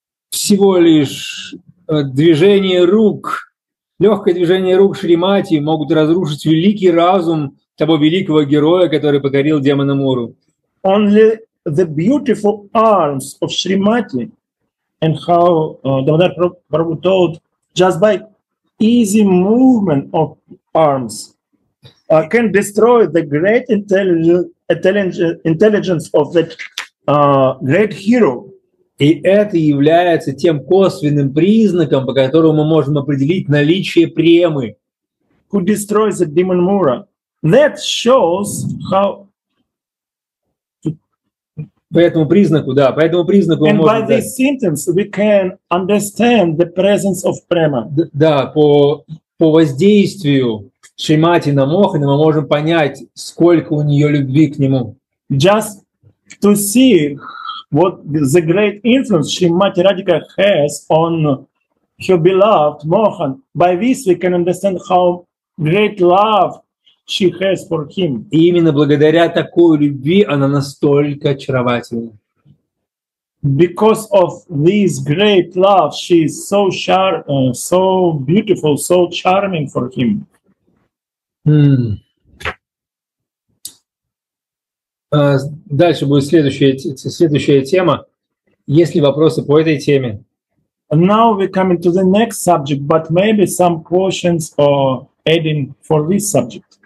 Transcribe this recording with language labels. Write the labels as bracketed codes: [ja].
[ru] Всего лишь движение рук, легкое движение рук Шримати могут разрушить великий разум того великого героя, который покорил демона Муру. [en] Only the beautiful arms of Shrimati and how Damodar Prabhu told, just by easy movement of arms can destroy the great intelligence of that great hero. [ru] И это является тем косвенным признаком, по которому мы можем определить наличие премы. [en] Who destroys the demon Mura. That shows how... [ru] По этому признаку [en] And by this sentence we can understand the presence of prema. [ru] Да, по воздействию Шримати на Мохана мы можем понять, сколько у нее любви к нему. [en] Just to see what the great influence Shrimati Radhika has on her beloved Mohan. By this we can understand how great love she has for him. [ru] И именно благодаря такой любви она настолько очаровательна. [en] Because of this great love, she is so so beautiful, so charming for him. [ru] Дальше будет следующая тема. Есть ли вопросы по этой теме? [en] Now we're coming to the next subject, but maybe some questions or adding for this subject.